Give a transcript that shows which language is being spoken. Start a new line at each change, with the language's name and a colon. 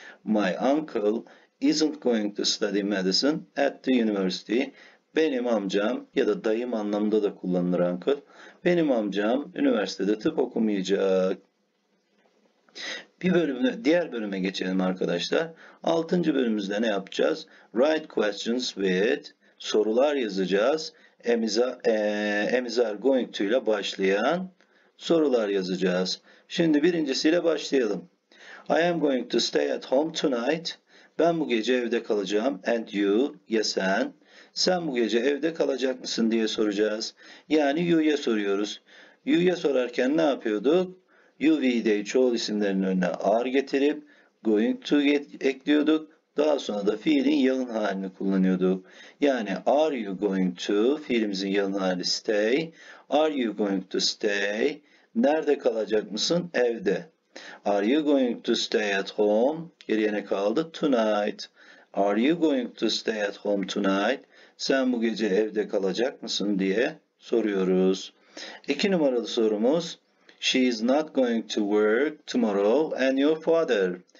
English: My uncle isn't going to study medicine at the university.
Turkish: Benim amcam ya da dayım anlamında da kullanılır uncle. Benim amcam üniversitede tıp okumayacak. Diğer bölüme geçelim arkadaşlar. 6. bölümümüzde ne yapacağız?
English: Write questions with
Turkish: sorular yazacağız.
English: Emizar going to
Turkish: ile başlayan sorular yazacağız. Şimdi birincisiyle başlayalım.
English: I am going to stay at home tonight.
Turkish: Ben bu gece evde kalacağım.
English: And you,
Turkish: ya sen. Sen bu gece evde kalacak mısın diye soracağız. Yani you'ya soruyoruz. You'ya sorarken ne yapıyorduk? You, we, they, çoğul isimlerinin önüne are getirip
English: going to
Turkish: ekliyorduk. Daha sonra da fiilin yalın halini kullanıyorduk. Yani
English: are you going to,
Turkish: fiilimizin yalın hali stay.
English: Are you going to stay?
Turkish: Nerede kalacak mısın? Evde.
English: Are you going to stay at home?
Turkish: Geriye ne kaldı?
English: Tonight. Are you going to stay at home tonight?
Turkish: Sen bu gece evde kalacak mısın diye soruyoruz. İki numaralı sorumuz.
English: She is not going to work tomorrow and your father.